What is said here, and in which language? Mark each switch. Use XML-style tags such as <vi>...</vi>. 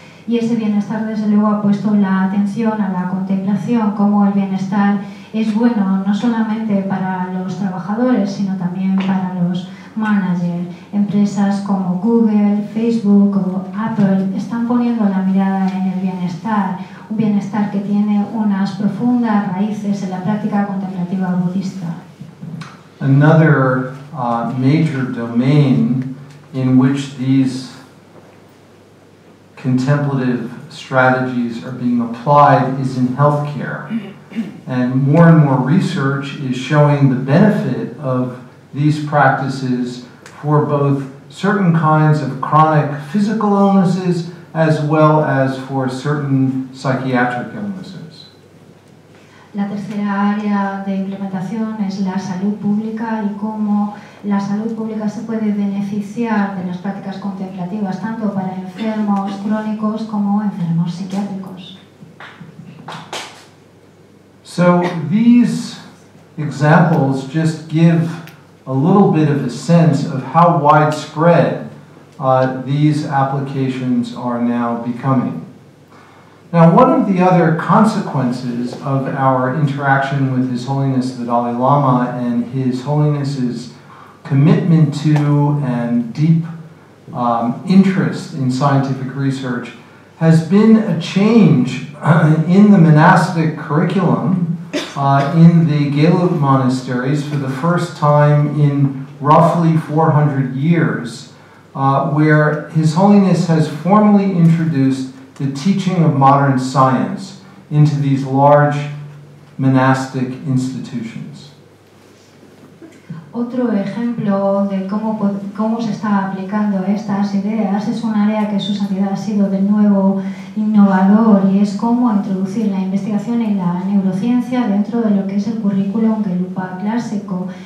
<es>Y ese bienestar, desde luego, ha puesto la atención a la contemplación, cómo el bienestar es bueno no solamente para los trabajadores, sino también para los managers. Empresas como Google, Facebook o Apple están poniendo la mirada en el bienestar. Un bienestar que tiene unas profundas raíces en la práctica contemplativa budista.</es> <en>Another major domain in which these contemplative strategies are being applied is in healthcare. And more research is showing the benefit of these practices for both certain kinds of chronic physical illnesses as well as for certain psychiatric illnesses.</en> <es>La tercera área de implementación es la salud pública y cómo la salud pública se puede beneficiar de las prácticas contemplativas tanto para enfermos crónicos como enfermos psiquiátricos.</es> <en>So these examples just give a little bit of a sense of how widespread these applications are now becoming. Now, one of the other consequences of our interaction with His Holiness the Dalai Lama and His Holiness's commitment to and deep interest in scientific research has been a change in the monastic curriculum in the Gelug monasteries for the first time in roughly 400 years, where His Holiness has formally introduced the teaching of modern science into these large monastic institutions.</en> <es>Otro ejemplo de cómo se está aplicando estas ideas es un área que su santidad ha sido de nuevo innovador y es cómo introducir la investigación en la neurociencia dentro de lo que es el currículum Gelupa clásico.</es>